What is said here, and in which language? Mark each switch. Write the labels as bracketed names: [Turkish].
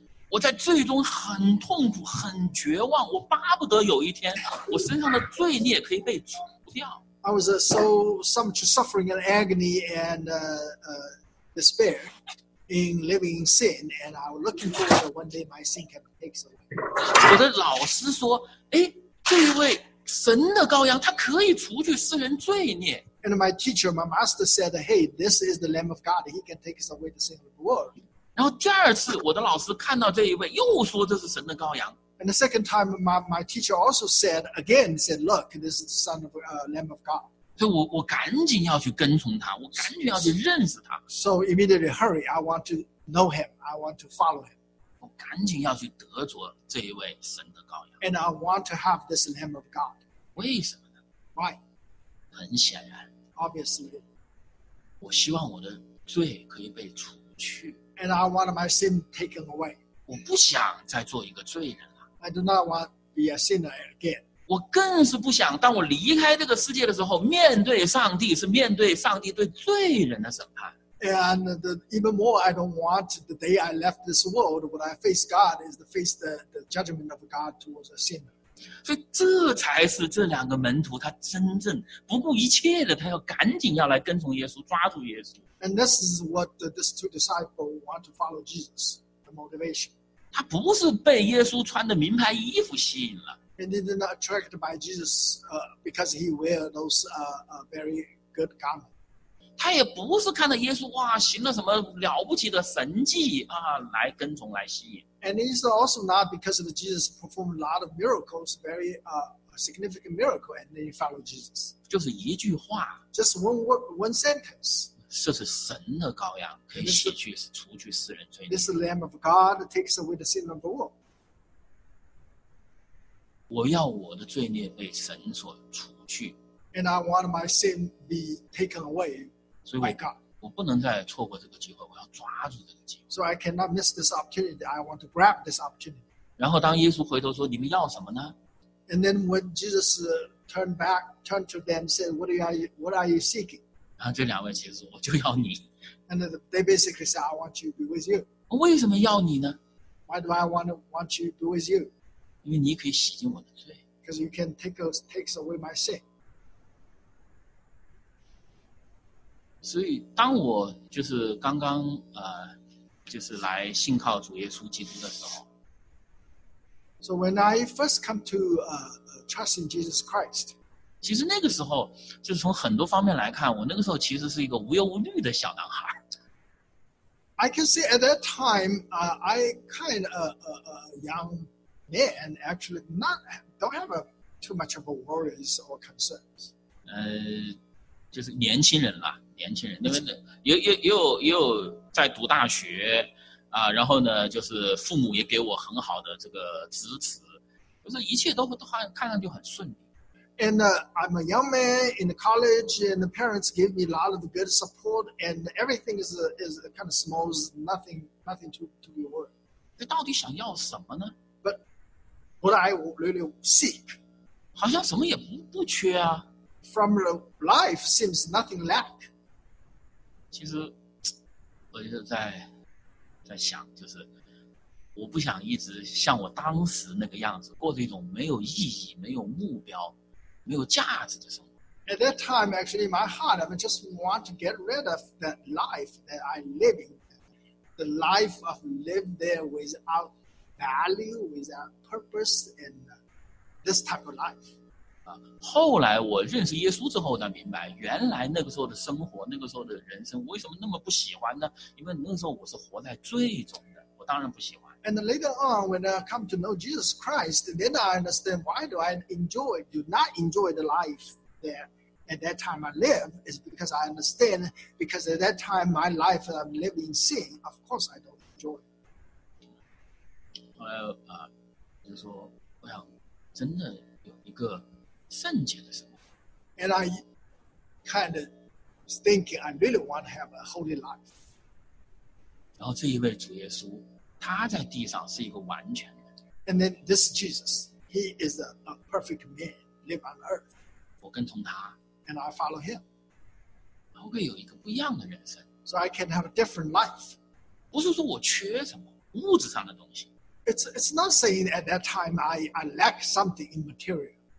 [Chinese] 我在罪中很痛苦，很绝望。我巴不得有一天，我身上的罪孽可以被除掉。 [English] I was so much suffering and agony and despair in living in sin, and I was looking for one day my sin can be taken away. [Chinese] 我的老师说，哎，这一位。神的羔羊，他可以除去世人罪孽。 [English] And my teacher, my master said, "Hey, this is the Lamb of God. He can take away the sin of the world." [Chinese] 然后第二次，我的老师看到这一位，又说这是神的羔羊。 [English] And the second time, my teacher also said again, said, "Look, this is the son of Lamb of God." [Chinese] 所以我赶紧要去跟从他，我赶紧要去认识他。 [English] So immediately hurry, I want to know him. I want to follow him. [Chinese] 赶紧要去得着这一位神的羔羊。 [English] And I want to have this Lamb of God. [Chinese] 为什么呢 [English] ？Why? [Chinese] 很显然。 [English] Obviously. [Chinese] 我希望我的罪可以被除去。 [English] And I want my sin taken away. [Chinese] 我不想再做一个罪人了。 [English] I do not want to be a sinner again. [Chinese] 我更是不想，当我离开这个世界的时候，面对上帝是面对上帝对罪人的审判。 [English] And even more, I don't want the day I left this world, when I face God, is to face the judgment of God towards a sinner. [Chinese] 所以这才是这两个门徒他真正不顾一切的，他要赶紧要来跟从耶稣，抓住耶稣。 [English] And this is what these two disciples want to follow Jesus, the motivation. [Chinese] 他不是被耶稣穿的名牌衣服吸引了。 [English] And they're not attracted by Jesus because he wears those very good garments. [Chinese] 他也不是看到耶稣哇行了什么了不起的神迹啊来跟从来吸引。 [English] And it's also not because of Jesus performed a lot of miracles, very significant miracle, and they follow Jesus. [Chinese] 就是一句话。 [English] Just one sentence. [Chinese] 这是神的羔羊，可以洗去除去世人罪孽。 [English] This is the Lamb of God that takes away the sin of the world. [Chinese] 我要我的罪孽被神所除去。 [English] And I want my sin be taken away by God. [Chinese] 我不能再错过这个机会，我要抓住这个机会。 [English] So I cannot miss this opportunity. I want to grab this opportunity. [Chinese] 然后当耶稣回头说，你们要什么呢？ [English] And then when Jesus turned back, turned to them, said, what are you seeking? [Chinese] 然后这两位其实说，我就要你。 [English] And they basically said, I want you to be with you. [Chinese] 我为什么要你呢？ [English] Why do I want you to be with you? [Chinese] 因为你可以洗净我的罪。 [English] Because you can take away my sin. [Chinese] 所以当我就是刚刚就是来信靠主耶稣基督的时候。 [English] So when I first come to trust in Jesus Christ. [Chinese] 其实那个时候就是从很多方面来看，我那个时候其实是一个无忧无虑的小男孩。 [English] I can say at that time, I kind of a young man, actually don't have too much of a worries or concerns. [Chinese] 就是年轻人啦。年轻人，因为又在读大学，啊，然后呢，就是父母也给我很好的这个支持，就是一切都看上去很顺利。 [English] And I'm a young man in the college, and the parents give me a lot of good support, and everything is kind of smooth, nothing to be worried. [Chinese] 这到底想要什么呢 [English] ？But what I really seek? [Chinese] 好像什么也不缺啊。 [English] From life seems nothing lack. [Chinese] 其实我就在想，就是我不想一直像我当时那个样子，过着一种没有意义、没有目标、没有价值的生活。 [English] At that time, actually, my heart, I just want to get rid of that life that I'm living, the life of live there without value, without purpose, and this type of life. [Chinese] 后来我认识耶稣之后呢，明白原来那个时候的生活，那个时候的人生，为什么那么不喜欢呢？因为那个时候我是活在罪中的，我当然不喜欢。 [English] And later on, when I come to know Jesus Christ, then I understand why do I enjoy, do not enjoy the life there at that time I live, is because I understand, because at that time my life I'm living in sin, of course I don't enjoy. [Chinese] 后来就说，我想真的有一个。圣洁的生活。 [English] And I kind of thinking I really want to have a holy life. [Chinese] 然后这一位主耶稣，他在地上是一个完全的。 [English] And then this Jesus, he is a perfect man, live on earth. [Chinese] 我跟从他。 [English] And I follow him. [Chinese] 然后可以有一个不一样的人生。 [English] So I can have a different life. [Chinese] 不是说我缺什么，物质上的东西。 [English] It's not saying at that time I lack something in material.